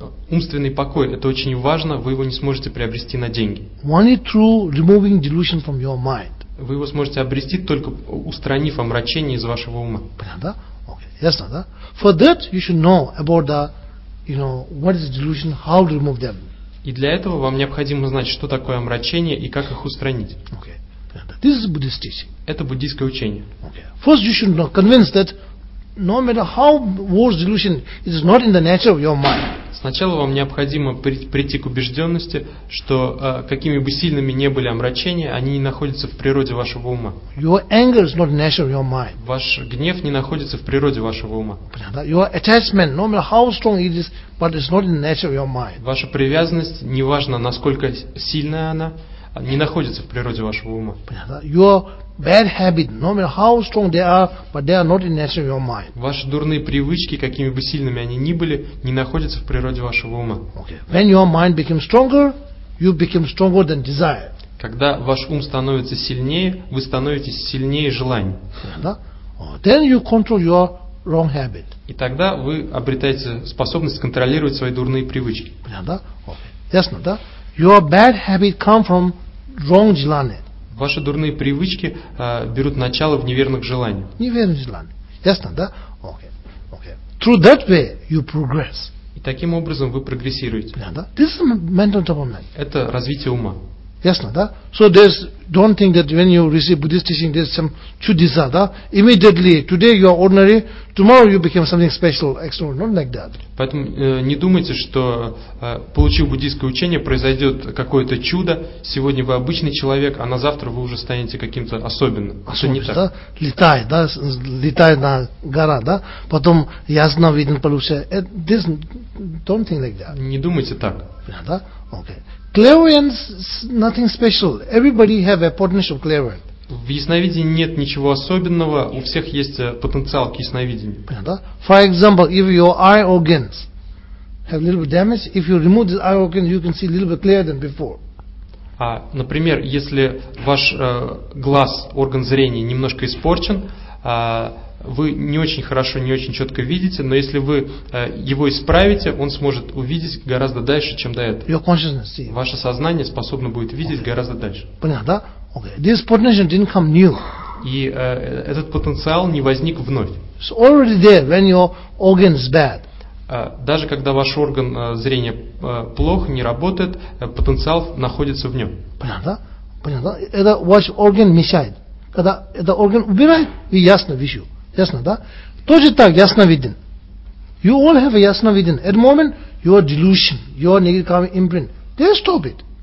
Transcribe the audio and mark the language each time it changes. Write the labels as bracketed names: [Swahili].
[Russian] Умственный покой, это очень важно, вы его не сможете приобрести на деньги. [English] Only through removing delusion from your mind. [Russian] Вы его сможете обрести, только устранив омрачение из вашего ума. Понятно, да? Okay. Ясно, да? [English] For that you should know about the, you know, what is delusion, how to remove them. [Russian] И для этого вам необходимо знать, что такое омрачение и как их устранить. [English] Okay. This is Buddhist teaching. [Russian] Это буддийское учение. [English] Okay. First you should convince that no matter how worse delusion, it is not in the nature of your mind. [Russian] Сначала вам необходимо прийти к убежденности, что какими бы сильными ни были омрачения, они не находятся в природе вашего ума. [English] Your anger is not in the nature of your mind. [Russian] Ваш гнев не находится в природе вашего ума. [English] Your attachment, no matter how strong it is, but it's not in the nature of your mind. [Russian] Ваша привязанность, неважно насколько сильная она, не находится в природе вашего ума. [English] Your bad habit, no matter how strong they are, but they are not in the nature of your mind. [Russian] Ваши дурные привычки, какими бы сильными они ни были, не находятся в природе вашего ума. [English] Okay. When your mind becomes stronger, you become stronger than desire. [Russian] Когда ваш ум становится сильнее, вы становитесь сильнее желаний. [English] Then you control your wrong habit. [Russian] И тогда вы обретаете способность контролировать свои дурные привычки. Понятно? [English] Okay. [Russian] Ясно, да? [English] Your bad habit come from wrong [Russian] желания. Ваши дурные привычки берут начало в неверных желаниях. Неверных желаниях. Ясно, да? [English] Okay. Okay. Through that way you progress. [Russian] И таким образом вы прогрессируете. Понятно, да? [English] This is mental development. [Russian] Это развитие ума. Ясно, да? [English] So there's, don't think that when you receive Buddhist teaching there's some chudisa, [Russian] да? [English] Immediately, today you are ordinary, tomorrow you become something special, extraordinary, not like that. [Russian] Поэтому не думайте, что получив буддийское учение, произойдет какое-то чудо, сегодня вы обычный человек, а на завтра вы уже станете каким-то особенным. Особенно, да? Летает, да? Летает на гора, да? Потом ясно виден получается. [English] This, don't think like that. [Russian] Не думайте так. Понятно, да? [English] Okay. Clairvoyance is nothing special. Everybody have a potential clairvoyance. [Russian] В ясновидении нет ничего особенного. У всех есть потенциал к ясновидению. Понятно? [English] For example, if your eye organs have a little bit damage, if you remove the eye organs, you can see a little bit clearer than before. [Russian] А, например, если ваш глаз, орган зрения, немножко испорчен, вы не очень хорошо, не очень четко видите, но если вы его исправите, он сможет увидеть гораздо дальше, чем до этого. [English] Your consciousness, see. [Russian] Ваше сознание способно будет видеть, okay, гораздо дальше. Понятно, да? [English] Okay. This potential didn't come new. [Russian] И этот потенциал не возник вновь. [English] It's already there when your organ is bad. [Russian] Даже когда ваш орган зрения плох, не работает, потенциал находится в нем. Понятно, да? Понятно, да? Это ваш орган мешает. Когда этот орган убирает, вы ясно вижу. Ясно, да? Тоже так ясно виден. [English] You all have a yasna within. At the moment, your delusion, your negative karma imprint, they stop it.